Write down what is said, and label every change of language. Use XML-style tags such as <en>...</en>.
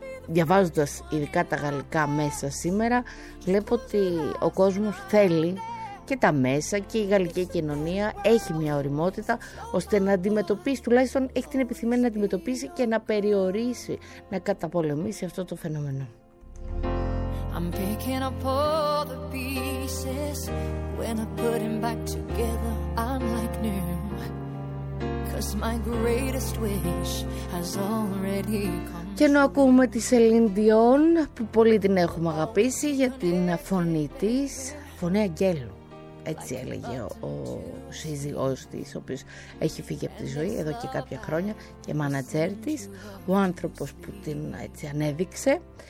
<el>διαβάζοντας ειδικά τα γαλλικά μέσα σήμερα, βλέπω ότι ο κόσμος θέλει και τα μέσα και η γαλλική κοινωνία έχει μια ωριμότητα ώστε να αντιμετωπίσει, τουλάχιστον έχει την επιθυμία να αντιμετωπίσει και να περιορίσει, να καταπολεμήσει αυτό το φαινόμενο.</el> <en>I'm picking up all the pieces. When I put them back together, I'm like new. Cause my greatest wish has already come.</en> <el>Και ενώ ακούμε τη Σελίν Ντιόν, που πολύ την έχουμε αγαπήσει για την φωνή της, φωνή αγγέλου, έτσι έλεγε ο σύζυγός της, ο οποίος έχει φύγει από τη ζωή εδώ και κάποια χρόνια, και μάνατζέρ της, ο άνθρωπος που την έτσι ανέδειξε.</el>